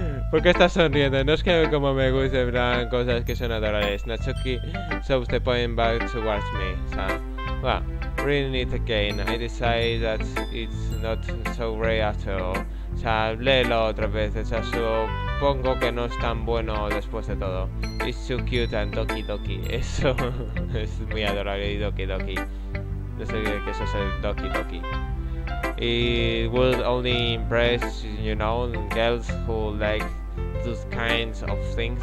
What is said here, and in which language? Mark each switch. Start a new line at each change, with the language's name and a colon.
Spanish: ¿Por qué estás sonriendo? No es que como me guste, en plan, cosas que son adorables.
English: Natsuki shoves the poem back towards me.
Spanish: O sea,
English: well, reading it again, I decide that it's not so great after all.
Spanish: O sea, léelo otra vez, o sea, supongo que no es tan bueno después de todo.
English: It's too cute and doki doki.
Spanish: Eso es muy adorable y doki doki. No sé qué eso es el doki doki.
English: It would only impress, you know, girls who like those kinds of things.